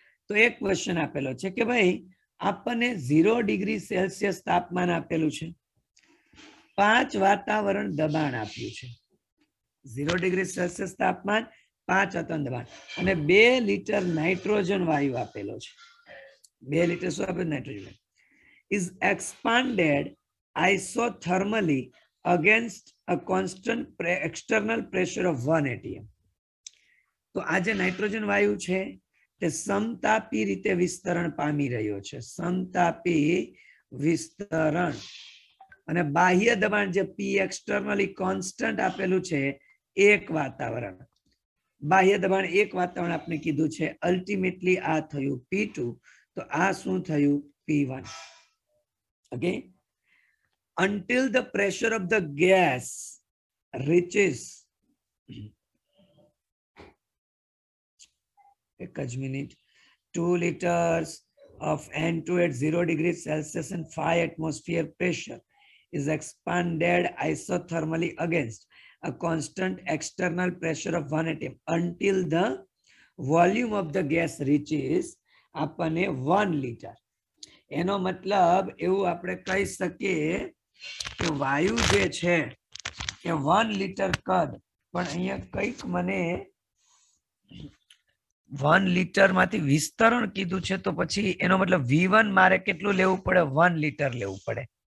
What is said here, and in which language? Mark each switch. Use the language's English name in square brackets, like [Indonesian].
[Gujarati] તો એક ક્વેશ્ચન આપેલો છે કે ભાઈ આપણને 0 ડિગ્રી સેલ્સિયસ તાપમાન આપેલું છે, 5 વાતાવરણ દબાણ આપ્યું છે. 0 ડિગ્રી સેલ્સિયસ તાપમાન, 5 વાતાવરણ દબાણ, અને 2 લિટર નાઇટ્રોજન વાયુ આપેલો છે. 2 લિટર શું આપેલું? Nitrogen. [English] Is expanded isothermally against a constant external pressure of 1 atm. [Gujarati] તો આ જે નાઇટ્રોજન વાયુ છે તે સમતાપી રીતે વિસ્તરણ પામી રહ્યો છે, સમતાપી વિસ્તરણ, અને બાહ્ય દબાણ જે પી એક્સટર્નલી કોન્સ્ટન્ટ આપેલું છે એક વાતાવરણ, બાહ્ય દબાણ એક વાતાવરણ આપણે કીધું છે. અલ્ટિમેટલી આ થયું પી ટુ, તો આ શું થયું પી one. [English] okay, until the pressure of the gas reaches, [Gujarati] એક જ minute, [English] 2 liters of N2 at 0 degree Celsius and 5 atmosphere pressure is expanded isothermally against a constant external pressure of 1 atm until the volume of the gas reaches આપણે 1 liter. [Gujarati] એનો મતલબ એવું આપણે કહી શકીએ કે વાયુ જે છે એ 1 liter કદ, પણ અહીંયા કઈક મને 1 liter માંથી વિસ્તરણ કીધું છે, તો પછી એનો મતલબ V1 મારે કેટલું લેવું પડે, 1 liter લેવું પડે.